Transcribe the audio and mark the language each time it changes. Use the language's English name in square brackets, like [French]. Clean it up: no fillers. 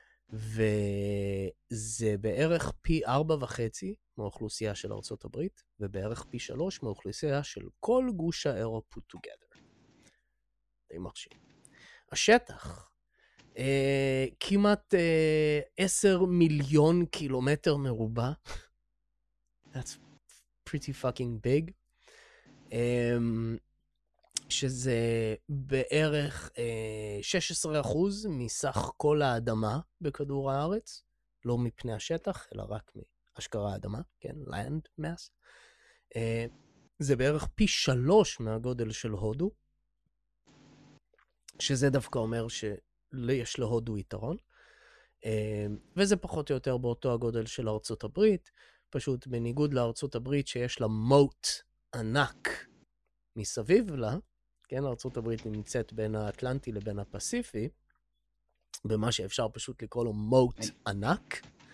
[Hebrew] וזה בערך פי 4.5 מאוכלוסייה של ארצות הברית, ובערך פי 3 מאוכלוסייה של כל גוש האירו [English] put together. [Hebrew] די מרשים. השטח, כמעט 10 מיליון קילומטר מרובע. [English] That's pretty fucking big. [Hebrew] שזה בערך 16% מסך כל האדמה בכדור הארץ, לא מפני השטח, אלא רק מאשכרה האדמה, כן, land mass. זה בערך פי 3 מהגודל של הודו, שזה דווקא אומר שיש להודו יתרון, וזה פחות או יותר באותו הגודל של ארצות הברית, פשוט בניגוד לארצות הברית שיש לה מוט ענק מסביב לה, כן, ארצות הברית נמצאת בין האטלנטי לבין הפסיפי, במה שאפשר פשוט לקרוא לו מוט ענק.